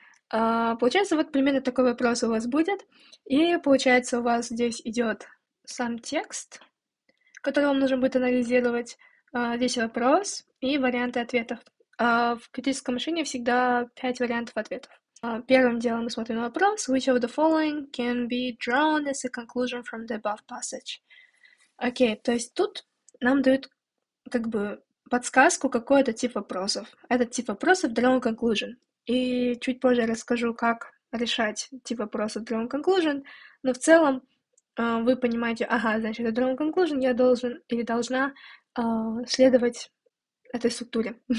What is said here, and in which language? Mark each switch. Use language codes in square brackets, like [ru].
[ru] Получается, вот примерно такой вопрос у вас будет. И получается, у вас здесь идет сам текст, который вам нужно будет анализировать. Здесь вопрос и варианты ответов. В критическом мышлении всегда 5 вариантов ответов. Первым делом мы смотрим на вопрос. [en] Which of the following can be drawn as a conclusion from the above passage? [ru] Окей, то есть тут нам дают как бы подсказку, какой это тип вопросов. Этот тип вопросов drawn conclusion. И чуть позже расскажу, как решать тип вопроса drawn conclusion, но в целом вы понимаете, ага, значит, это drawn conclusion, я должен или должна следовать этой структуре.